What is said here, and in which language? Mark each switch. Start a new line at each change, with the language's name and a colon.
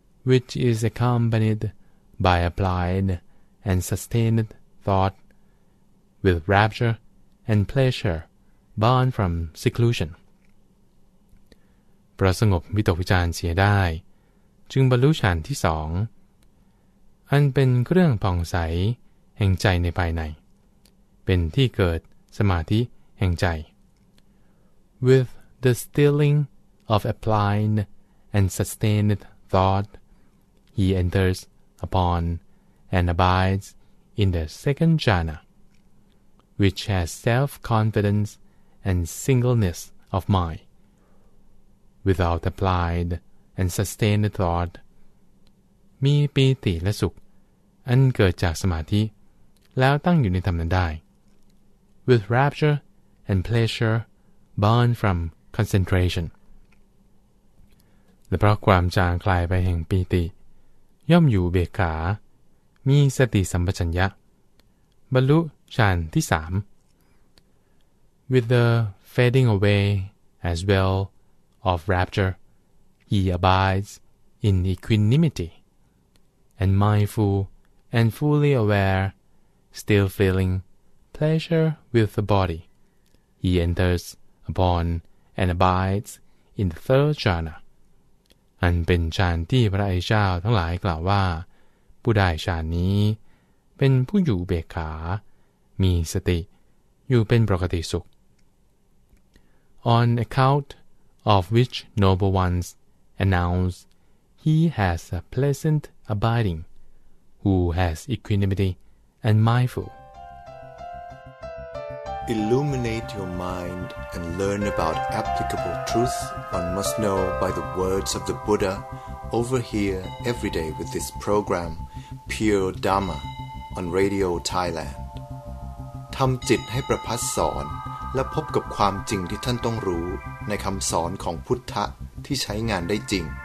English: Which is accompanied by applied and sustained thought, with rapture and pleasure born from seclusion.
Thai: ประสงบวิตกวิจารเสียได้จึงบรรลุฌานที่สองอันเป็นเครื่องผ่องใสแห่งใจในภายในเป็นที่เกิดสมาธิแห่งใจ
English: With the stilling of applied and sustained thoughtHe enters upon and abides in the second jhana, which has self-confidence and singleness of mind. Without applied and sustained thought,
Thai: มีปีติและสุขอันเกิดจากสมาธิแล้วตั้งอยู่ในธรรมนั้นได้
English: With rapture and pleasure born from concentration.
Thai: และเพราะความจางคลายไปแห่งปีติย่อมอยู่เบิกขามีสติสัมปชัญญะบรรลุฌานที่สาม
English: With the fading away as well of rapture, he abides in equanimity, and mindful and fully aware, still feeling pleasure with the body, he enters upon and abides in the third jhana.
Thai: อันเป็นฌานที่พระอริยเจ้าทั้งหลายกล่าวว่าผู้ได้ฌานนี้เป็นผู้อยู่เบิกขามีสติอยู่เป็นปกติสุข
English: On account of which noble ones announce he has a pleasant abiding who has equanimity and mindful Illuminate your mind and learn about applicable truthOne must know by the words of the Buddha over here every day with this program Pure Dharma on Radio Thailand
Thai: ทำจิตให้ประพัสสอนและพบกับความจริงที่ท่านต้องรู้ในคำสอนของพุทธะที่ใช้งานได้จริง